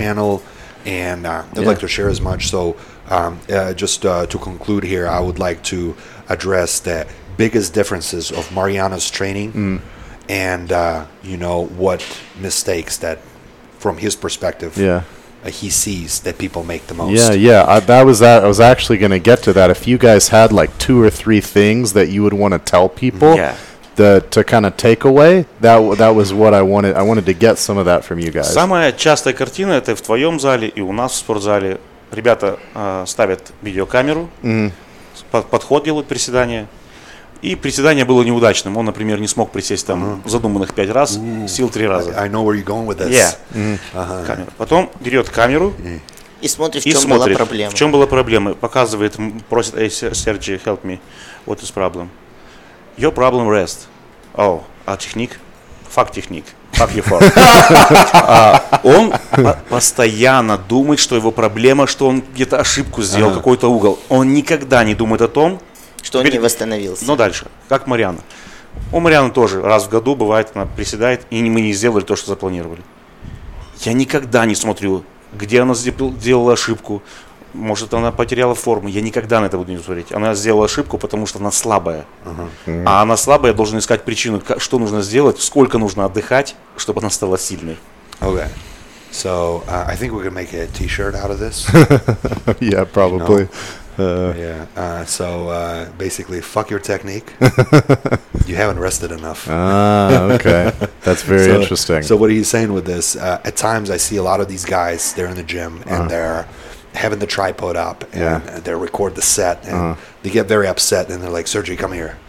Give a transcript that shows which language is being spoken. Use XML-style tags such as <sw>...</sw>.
<en>channel, and I'd like to share as much. So to conclude here, I would like to address the biggest differences of Mariana's training and, you know, what mistakes that, from his perspective, he sees that people make the most. Yeah, yeah. I was actually going to get to that. If you guys had like two or three things that you would want to tell people. Yeah. To kind of take away, that was what I wanted. I wanted to get some of that from you guys.</en> <ru>Самая частая картина это в твоем зале и у нас в спортзале. Ребята ставят видеокамеру, подход делают приседания. И приседание было неудачным. Он, например, не смог присесть там задуманных 5 раз, сил 3 раза.</ru> <en>I know where you're going with this. Yeah. Mm.</en> <ru>Камера. Потом берет камеру и смотрит, в чем была проблема. В чем была проблема. Показывает, просит,</ru> <en>hey, Sergio, help me, what is problem? Your problem rest. Oh,</en> <ru>а техник?</ru> <en>Fuck техник. Fuck your form.</en> <ru>Он постоянно думает, что его проблема, что он где-то ошибку сделал, uh-huh, какой-то угол. Он никогда не думает о том, что он не восстановился. Но дальше. Как Мариана. У Марианы тоже раз в году бывает, она приседает, и мы не сделали то, что запланировали. Я никогда не смотрю, где она сделала ошибку. Может, она потеряла форму. Я никогда на это буду не смотреть. Она сделала ошибку, потому что она слабая. Uh-huh. А она слабая, я должен искать причину, что нужно сделать, сколько нужно отдыхать, чтобы она стала сильной.</ru> <en>Okay. So, I think we can make a t-shirt out of this. Yeah, probably. You know? Yeah. So, basically, fuck your technique. You haven't rested enough. Okay. That's very interesting. So, what are you saying with this? At times, I see a lot of these guys, they're in the gym, and they're having the tripod up, and they record the set, and they get very upset, and they're like, Sergio, come here.</en>